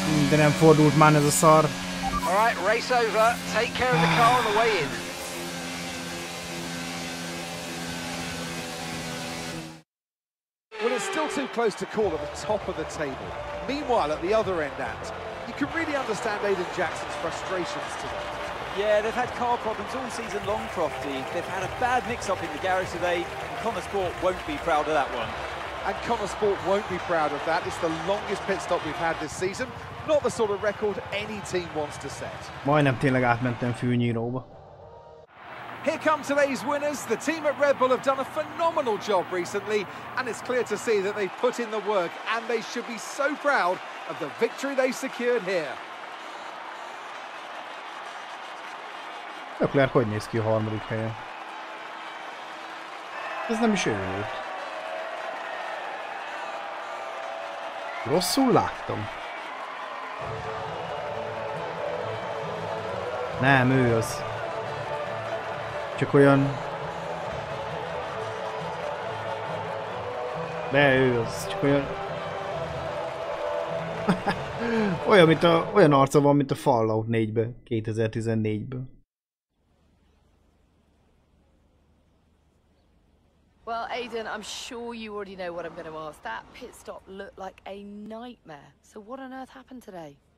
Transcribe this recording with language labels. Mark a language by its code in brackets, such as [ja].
[hu] Nem fordult már ez a szar. [en] All right, race over. Take care of the car on the way in. Well, it's still too close to call at the top of the table. Meanwhile, at the other end, Ant, you can really understand Aidan Jackson's frustrations today. Yeah, they've had car problems all season long, Crofty. They've had a bad mix-up in the garage today, and Connor Sport won't be proud of that one. And Connor Sport won't be proud of that. It's the longest pit stop we've had this season. Not the sort of record any team wants to set. [hu] Majdnem tényleg átmentem fűnyíróba. [en] Here come today's winners. The team at Red Bull have done a phenomenal job recently, and it's clear to see that they've put in the work, and they should be so proud of the victory they secured here. [hu] Leclerc, hogy néz ki a harmadik helyen? Ez nem is ő volt. Rosszul láttam. Nem, ő az. Csak olyan... De ő az, csak olyan... olyan, mint a, olyan arca van, mint a Fallout 4-ben, 2014-ben. [en] Well, Aidan, I'm sure you already know what I'm going to ask. That pit stop looked like a nightmare. So what on earth happened today?